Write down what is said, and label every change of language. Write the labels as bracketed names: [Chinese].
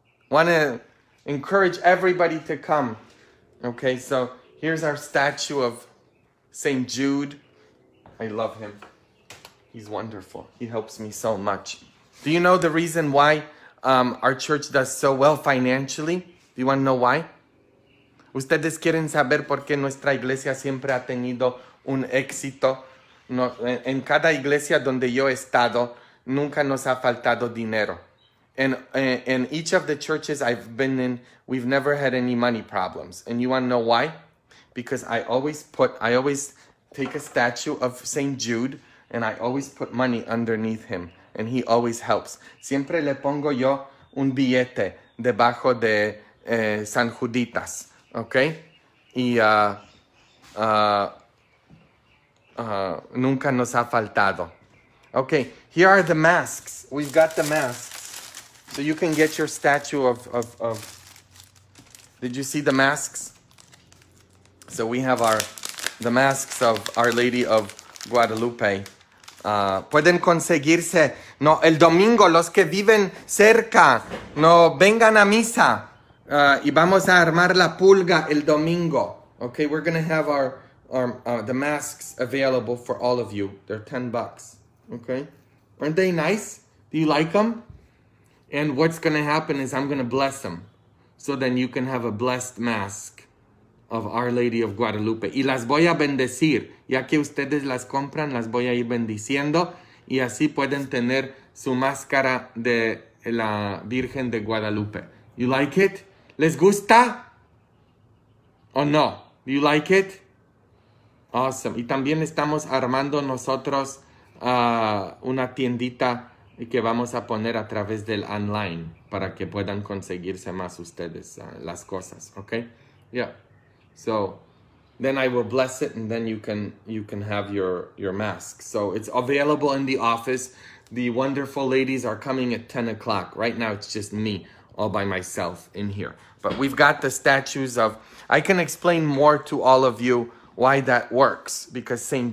[English] Want to encourage everybody to come. Okay, so here's our statue of St. Jude. I love him. He's wonderful. He helps me so much. Do you know the reason why our church does so well financially? Do you want to know why? [Spanish] ¿Ustedes quieren saber por qué nuestra iglesia siempre ha tenido un éxito? No, en cada iglesia donde yo he estado, nunca nos ha faltado dinero. [English] In each of the churches I've been in, we've never had any money problems. And you want to know why? Because I always take a statue of St. Jude, and I always put money underneath him, and he always helps. [Spanish] Siempre le pongo yo un billete debajo de San Juditas. Okay, nunca nos ha faltado. [English] Okay, here are the masks. We've got the masks, so you can get your statue of. Did you see the masks? So we have the masks of Our Lady of Guadalupe. [Spanish] Pueden conseguirse. No, el domingo los que viven cerca, no vengan a misa. Y vamos a armar la pulga el domingo. [English] Okay, we're going to have our the masks available for all of you. They're 10 bucks, okay? Aren't they nice? Do you like them? And what's gonna happen is I'm gonna bless them. So then you can have a blessed mask of Our Lady of Guadalupe. [Spanish] Y las voy a bendecir. Ya que ustedes las compran, las voy a ir bendiciendo. Y así pueden tener su máscara de la Virgen de Guadalupe. [English] You like it? [Spanish] ¿Les gusta? [English] Oh no. Do you like it? [Spanish] Awesome. Y también estamos armando nosotros una tiendita que vamos a poner a través del online para que puedan conseguirse más ustedes las cosas, okay? [English] Yeah. So then I will bless it, and then you can have your mask. So it's available in the office. The wonderful ladies are coming at 10 o'clock. Right now it's just me all by myself in here. But we've got the statues of... I can explain more to all of you why that works, because St.